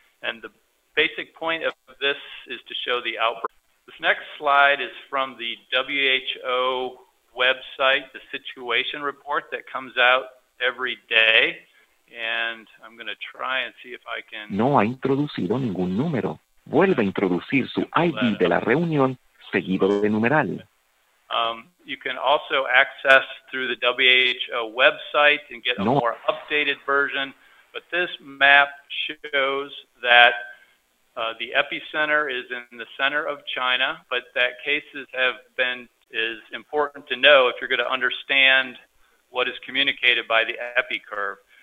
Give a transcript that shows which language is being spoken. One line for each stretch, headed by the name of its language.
English: And the basic point of this is to show the outbreak. This next slide is from the WHO website, the situation report that comes out every day. And I'm going to try and see if I can...
Spanish: No ha introducido ningún número. Vuelve a introducir su ID de la reunión seguido de numeral.
English: You can also access through the WHO website and get a more updated version. But this map shows that the epicenter is in the center of China, but that cases have been, is important to know if you're going to understand what is communicated by the epi curve.